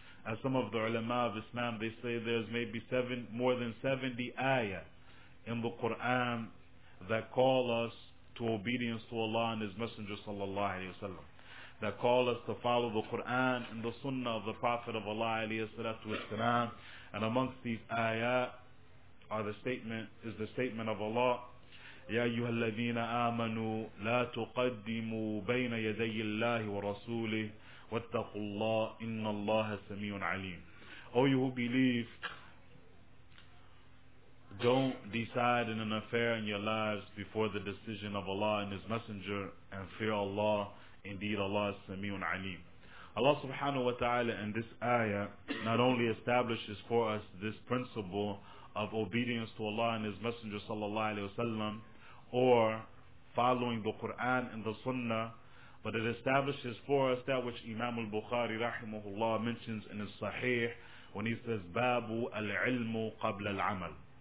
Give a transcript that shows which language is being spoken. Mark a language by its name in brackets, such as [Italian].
[English] As some of the ulama of Islam, they say there's maybe more than 70 ayah in the Quran that call us to obedience to Allah and His Messenger sallallahu alayhi wasalam, that call us to follow the Quran and the sunnah of the Prophet of Allah alayhi salatu wasalam. And amongst these ayah is the statement of Allah, [Arabic] يَا أَيُّهَا الَّذِينَ آمَنُوا لَا تُقَدِّمُوا بَيْنَ يَدَيِّ اللَّهِ وَرَسُولِهِ وَاتَّقُوا اللَّهِ إِنَّ اللَّهَ سَمِيعٌ عَلِيمٌ. [English] O you who believe, don't decide in an affair in your lives before the decision of Allah and His Messenger, and fear Allah, indeed Allah is [Arabic] سَمِيعٌ عَلِيمٌ. [English] Allah subhanahu wa ta'ala in this ayah not only establishes for us this principle of obedience to Allah and His Messenger sallallahu alayhi wa sallam, or following the Quran and the Sunnah, but it establishes for us that which Imam al-Bukhari rahimahullah mentions in his Sahih when he says, [Arabic] Babu al-ilmu qabla al-amal.